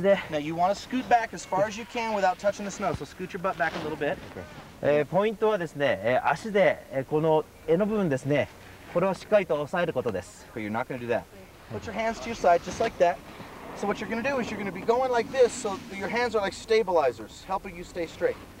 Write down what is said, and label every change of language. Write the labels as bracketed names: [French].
[English] Now you want to scoot back as far as you can without touching the snow. So scoot your butt back a little bit. [Japanese] ポイントはですね、足でこの柄の部分ですね。これをしっかりと押さえることです。 [English] But you're not going to do that. Put your hands to your side, just like that. So what you're going to do is you're going to be going like this, so your hands are like stabilizers, helping you stay straight.